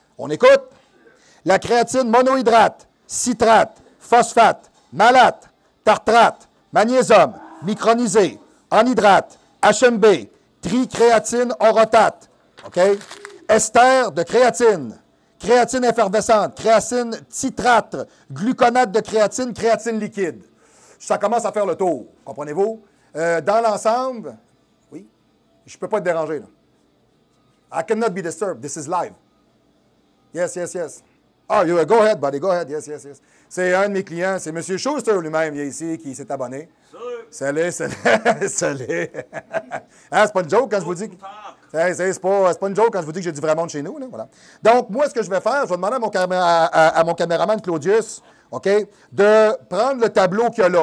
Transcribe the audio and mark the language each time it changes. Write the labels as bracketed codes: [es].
[fr] On écoute. La créatine monohydrate, citrate, phosphate, malate, tartrate, magnésium, micronisé, anhydrate, HMB, tricréatine orotate. OK? Ester de créatine. Créatine effervescente, créatine titrate, gluconate de créatine, créatine liquide. Ça commence à faire le tour, comprenez-vous? Dans l'ensemble, oui, je peux pas te déranger. Là. [en] I cannot be disturbed, this is live. Yes, yes, yes. Ah, you go ahead, buddy, go ahead, yes, yes, yes. [fr] C'est un de mes clients, c'est M. Schuster lui-même, il est ici, qui s'est abonné. Salut! Salut, salut, salut. Hein, c'est pas une joke quand je vous dis que... Hey, c'est pas une joke quand je vous dis que j'ai du vrai monde chez nous. Là, voilà. Donc, moi, ce que je vais faire, je vais demander à mon caméraman Claudius, OK, de prendre le tableau qu'il y a là.